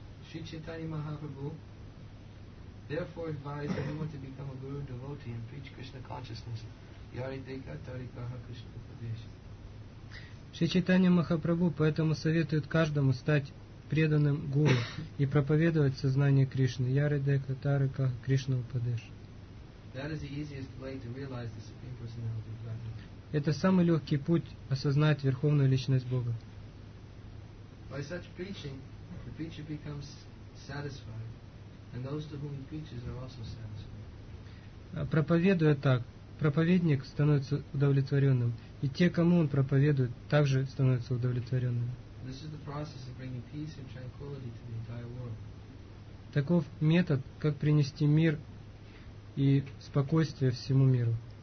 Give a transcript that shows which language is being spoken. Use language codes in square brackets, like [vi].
[en] Шри Чайтанья Махапрабху therefore advised anyone to become a guru devotee and preach Krishna consciousness. Yaridika Tarikaha Krishna Padesh. [ru] Шри Чайтанья Махапрабху поэтому советует каждому стать преданным гуру и проповедовать сознание Кришны. Yaridika Tarikaha Krishna Padesh. [en] That is the easiest way to realize the Supreme Personality of Godhead. [ru] Это самый легкий путь осознать Верховную Личность Бога. [en] By such preaching, the preacher becomes satisfied, and those to whom he preaches are also satisfied. [ru] Проповедуя так, проповедник становится удовлетворенным, и те, кому он проповедует, также становятся удовлетворенными. [en] This is the process of bringing peace and tranquility to the entire world. [ru] Таков метод, как принести мир и спокойствие всему миру.